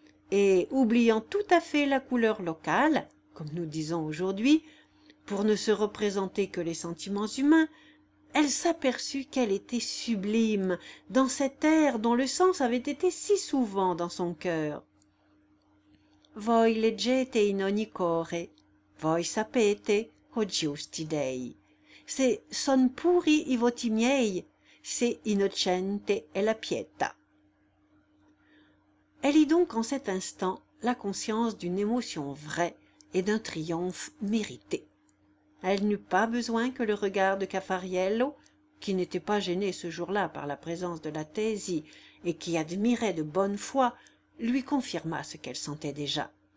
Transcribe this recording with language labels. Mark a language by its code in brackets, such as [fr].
[fr] Et, oubliant tout à fait la couleur locale, comme nous disons aujourd'hui, pour ne se représenter que les sentiments humains, elle s'aperçut qu'elle était sublime dans cet air dont le sens avait été si souvent dans son cœur. [it] « Voi leggete in ogni core, voi sapete o giusti dei. Se son puri i voti miei, se innocente è la pietà. [fr] » Elle eut donc en cet instant la conscience d'une émotion vraie et d'un triomphe mérité. Elle n'eut pas besoin que le regard de Caffariello, qui n'était pas gêné ce jour-là par la présence de la Tesi et qui admirait de bonne foi, lui confirma ce qu'elle sentait déjà.